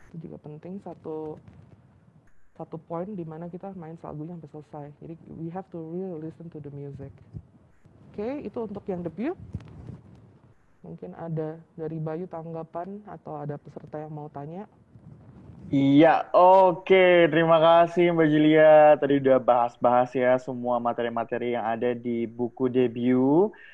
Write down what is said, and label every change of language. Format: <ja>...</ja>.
<id>Itu juga penting, satu poin di mana kita main lagunya sampai selesai. Jadi</id> <en>we have to really listen to the music.</en> <id>Oke, itu untuk yang debut. Mungkin ada dari Bayu tanggapan atau ada peserta yang mau tanya? Iya, oke. Terima kasih Mbak Jelia. Tadi udah bahas-bahas ya semua materi-materi yang ada di buku debut.</id>